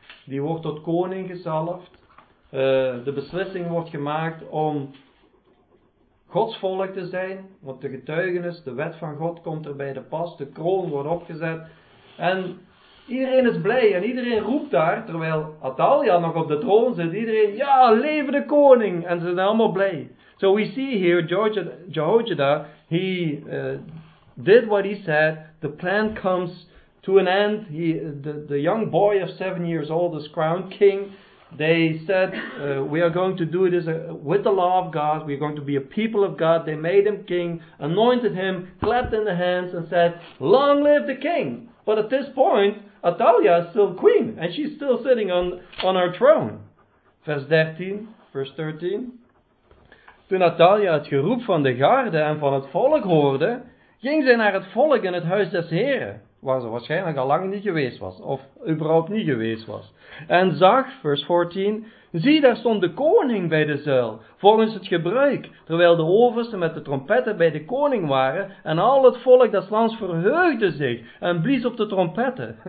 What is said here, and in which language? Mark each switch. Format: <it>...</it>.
<nl>Die wordt tot koning gezalfd. De beslissing wordt gemaakt om Gods volk te zijn, want de getuigenis, de wet van God komt er bij de pas, de kroon wordt opgezet. En iedereen is blij en iedereen roept daar, terwijl Atalia nog op de troon zit, iedereen, ja, leve de koning! En ze zijn allemaal blij.</nl> <en>So we see here, Jehojada, he did what he said, the plan comes to an end, the young boy of 7 years old is crowned king. They said, we are going to do this with the law of God. We are going to be a people of God. They made him king, anointed him, clapped in the hands and said, long live the king. But at this point, Atalia is still queen and she's still sitting on her throne.</en> <nl>Vers 13. Toen Atalia het geroep van de garde en van het volk hoorde, ging zij naar het volk in het huis des Heren, waar ze waarschijnlijk al lang niet geweest was, of überhaupt niet geweest was. En zag, vers 14, zie daar stond de koning bij de zuil, volgens het gebruik, terwijl de oversten met de trompetten bij de koning waren, en al het volk des lands verheugde zich, en blies op de trompetten.</nl>